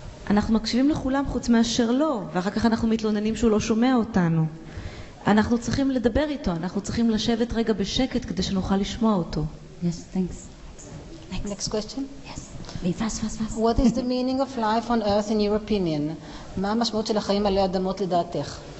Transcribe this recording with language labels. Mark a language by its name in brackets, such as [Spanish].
[Hebrew] אנחנו מקשיבים לכולם חוץ מאשר לו, ואחר כך אנחנו מתלוננים שהוא לא שומע אותנו. אנחנו צריכים לדבר איתו. אנחנו צריכים לשבת רגע בשקט כדי שנוכל לשמוע אותו. [English] Yes, thanks. Next question? Yes. Fast. What is the meaning of life on earth in your opinion? [Hebrew] מה המשמעות של החיים עלי אדמות לדעתך?